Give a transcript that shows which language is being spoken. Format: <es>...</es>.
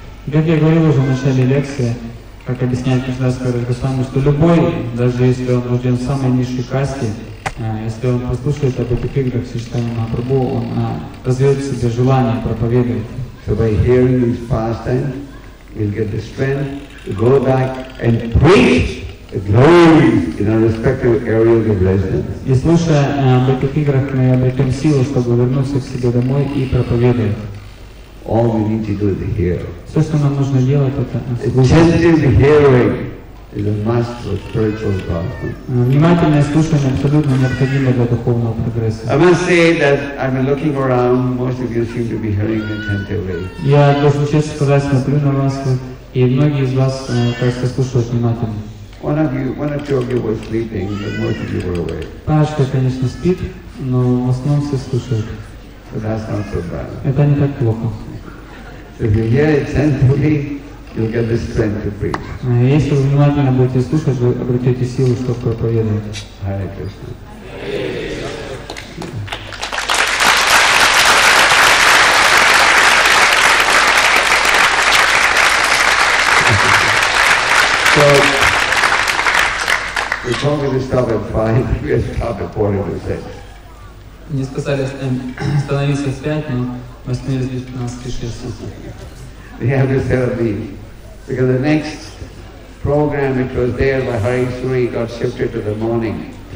<ru>Как я говорил уже в начале лекции, как объясняет Кришнадас Кавираджа Госвами, что любой, даже если он рожден в самой низшей касте, если он послушает об этих играх Чайтанья Махапрабху, он развеет в себе желание проповедовать.</ru> <en>So by hearing these pastimes, we'll get the strength to go back and preach the glories in our respective areas of residence.</en> <ru>И слушая об этих играх, мы обретем силу, чтобы вернуться к себе домой и проповедовать.</ru> <en>All we need to do is hear.</en> <ru>Все, что нам нужно делать, это</ru> <en>attentive hearing is a must for spiritual advancement.</en> <ru>Внимательное слушание абсолютно необходимо для духовного прогресса.</ru> <en>I must say that I've been looking around, most of you seem to be hearing attentively.</en> <ru>Я должен честно сказать, смотрю на вас, и многие из вас, кажется, слушают внимательно.</ru> <en>One of you was sleeping, but most of you were awake.</en> <ru>Пашка, конечно, спит, но в основном все слушают.</ru> <en>So that's not so bad.</en> <ru>Это не так плохо.</ru> <en>So if you hear it sensibly, you'll get the strength to preach.</en> <ru>Если вы внимательно будете слушать, вы обретете силу, чтобы проповедовать.</ru> <sa>Hare Krishna.</sa> <en>So, we told me to stop at 5, we stop at 4:06.</en> <ru>Не сказали остановиться в 5, но мы остановились в 15:06.</ru> <en>We have to celebrate. Because the next program, which was there by Hari Suri, got shifted to the morning.</en>